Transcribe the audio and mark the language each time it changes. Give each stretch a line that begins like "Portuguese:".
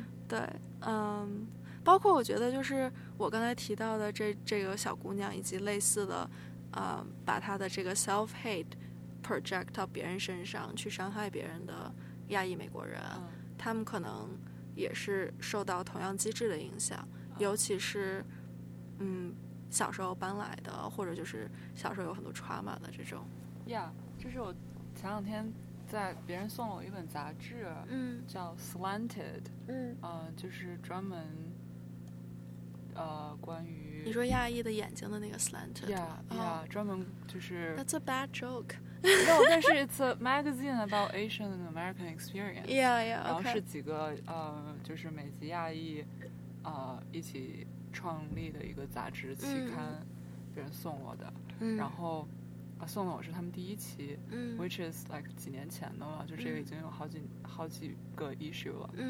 Chinese: 对，包括我觉得就是我刚才提到的这个小姑娘以及类似的把她的这个 self-hate project 到别人身上去伤害别人的亚裔美国人，他们可能也是受到同样机制的影响，尤其是小时候搬来的或者就是小时候有很多 trauma 的这种。这是我前两天在别人送了我一本杂志，叫 Slanted。就是专门关于你说亚裔的眼睛的那个 Slanted。专门就是
English: That's a bad joke。 No， 但是 it's a magazine about Asian and American experience。 Yeah, okay.
Chinese: 然后是几个就是美籍亚裔一起创立的一个杂志期刊，别人送我的。然后送的我是他们第一期，
English: which is like
Chinese: 几年前的了，就这个已经有好几个 issue 了。